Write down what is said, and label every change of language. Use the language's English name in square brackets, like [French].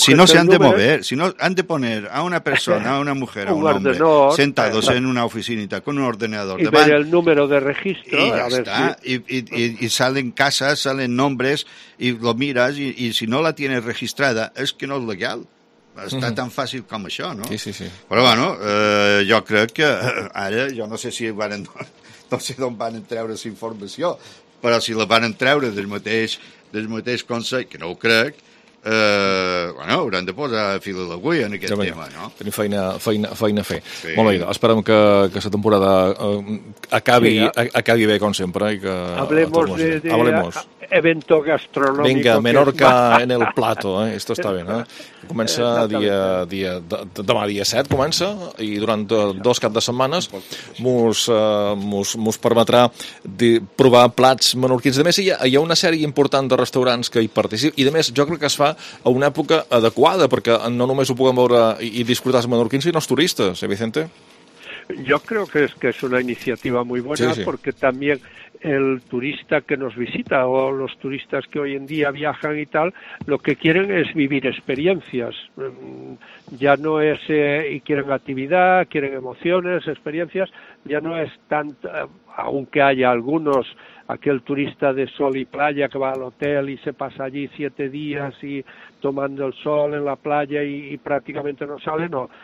[Spanish] Si no se han de mover, si no han de poner a una persona, a una mujer, a un hombre, sentados en una oficinita con un ordenador [Catalan] davant. [Spanish] Y ver el número de registro. Y ya está. Y salen casas, salen nombres, y lo miras, y si no la tienes registrada, es que no es legal. [Catalan] Està tan fàcil com això, no? Sí, sí, sí. Però, bueno, jo crec que ara, jo no sé si van, no sé d'on van treure la informació, però si la van treure del mateix Consell, que no ho crec, bueno, hauran de posar fil a l'agulla en aquest tema, no? Tenim feina a fer. Sí. Molt bé, esperem que la temporada acabi bé, com sempre. I que [Spanish] Hablemos de evento gastronòmic. Vinga, Menorca en el plato, esto está bien. [Catalan] Comença demà dia 7, comença, i durant dos caps de setmanes mos permetrà provar plats menorquins. A més, hi ha una sèrie important de restaurants que hi participen, i a més, jo crec que es fa a una època adequada, perquè no només ho puguem veure i disfrutar els menorquins, sinó els turistes, Vicente? [Spanish] Yo creo que es una iniciativa muy buena, sí, sí. Porque también el turista que nos visita o los turistas que hoy en día viajan y tal, lo que quieren es vivir experiencias. Ya no es, y quieren actividad, quieren emociones, experiencias, ya no es tanto, aunque haya algunos, aquel turista de sol y playa que va al hotel y se pasa allí 7 días y tomando el sol en la playa y prácticamente no sale, no.